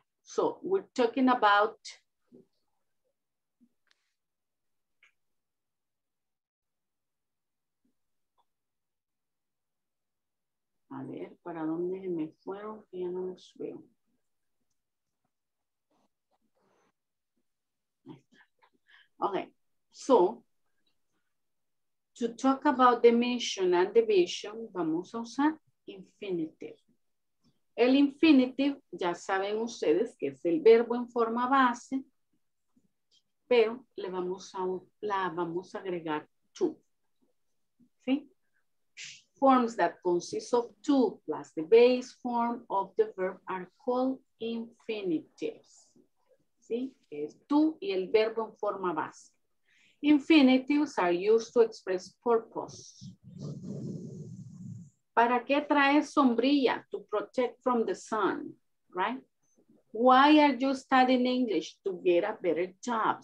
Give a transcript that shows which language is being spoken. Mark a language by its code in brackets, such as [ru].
[en] So we're talking about [es] a ver, ¿para dónde me fueron? Que ya no los veo. [en] Okay, so, to talk about the mission and the vision, [es] vamos a usar [en] infinitive. [es] El infinitive, ya saben ustedes que es el verbo en forma base, pero le vamos a, la vamos a agregar to. ¿Sí? [en] Forms that consist of two plus the base form of the verb are called infinitives. [es] ¿Sí? Es tú y el verbo en forma base. [en] Infinitives are used to express purpose. [es] ¿Para qué traes sombrilla? [en] To protect from the sun, right? Why are you studying English? To get a better job.